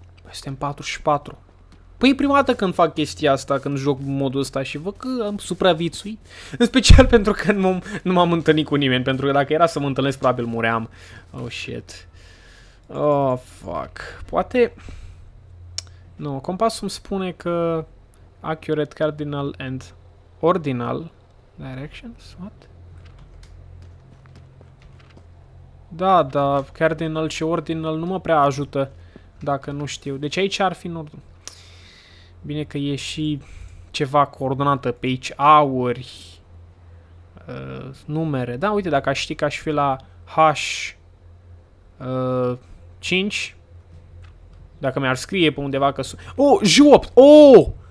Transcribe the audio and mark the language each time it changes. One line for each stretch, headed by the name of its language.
Romanian: Suntem 44. Păi e prima dată când fac chestia asta, când joc modul ăsta și văd că am supraviețuit. În special pentru că nu m-am întâlnit cu nimeni, pentru că dacă era să mă întâlnesc, probabil muream.
English: Oh, shit. Oh, fuck.
Romanian: Poate... Nu, compasul îmi spune că...
English: Accurate cardinal and ordinal directions, what?
Romanian: Da, da, cardinal și ordinal nu mă prea ajută dacă nu știu. Deci aici ar fi nord. Bine că e și ceva coordonată pe aici, auri, numere. Da, uite, dacă aș ști că aș fi la H5, dacă mi-ar scrie pe undeva că sunt... Oh, J8! Oh!